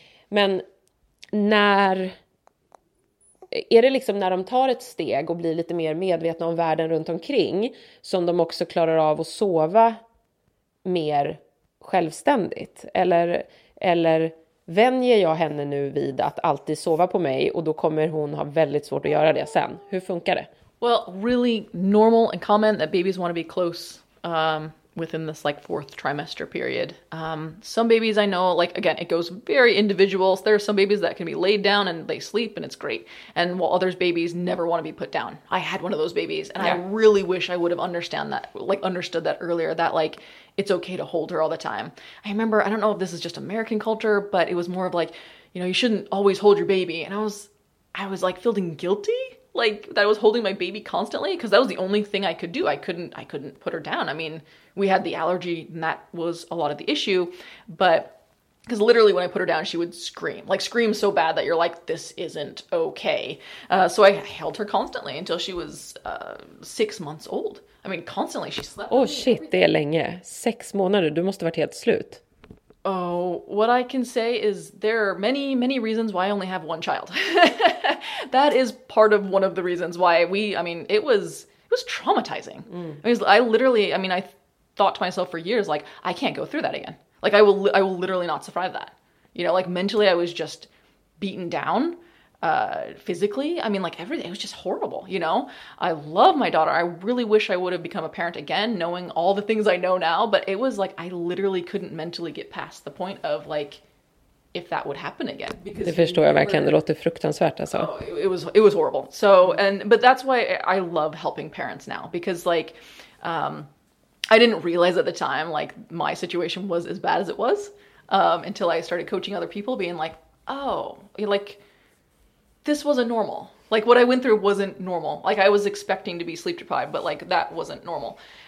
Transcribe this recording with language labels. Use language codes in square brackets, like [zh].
[sv] Men när är det liksom, när de tar ett steg och blir lite mer medvetna om världen runt omkring, som de också klarar av att sova mer självständigt, eller vänjer jag henne nu vid att alltid sova på mig, och då kommer hon ha väldigt svårt att göra det sen? Hur funkar det? [en] Well, really normal and common that babies want to be close within this like fourth trimester period. Some babies I know, like, again, it goes very individual. So there are some babies that can be laid down and they sleep and it's great. And while others, babies never want to be put down. I had one of those babies, and yeah. I really wish I would have understood that earlier, that like, it's okay to hold her all the time. I remember, I don't know if this is just American culture, but it was more of like, you know, you shouldn't always hold your baby. And I was like feeling guilty, like that I was holding my baby constantly, because that was the only thing I could do. I couldn't put her down. I mean, we had the allergy and that was a lot of the issue, but because literally when I put her down, she would scream so bad that you're like, this isn't okay. So I held her constantly until she was 6 months old. I mean, constantly she slept. Oh shit, [sv] det är länge. 6 månader, du måste varit helt slut. [en] Oh, what I can say is there are many, many reasons why I only have one child. That is part of one of the reasons why it was traumatizing. Mm. I thought to myself for years, like, I can't go through that again. Like, I will literally not survive that. You know, like, mentally I was just beaten down physically. I mean, like everything, it was just horrible, you know? I love my daughter. I really wish I would have become a parent again, knowing all the things I know now, but it was like, I literally couldn't mentally get past the point of like, if that would happen again. [sv] Because det förstår jag verkligen. Det låter fruktansvärt alltså. [en] It was horrible. So, but that's why I love helping parents now, because like, I didn't realize at the time, like my situation was as bad as it was, until I started coaching other people being like, oh, like this wasn't normal. Like what I went through wasn't normal. Like I was expecting to be sleep deprived, but like that wasn't normal.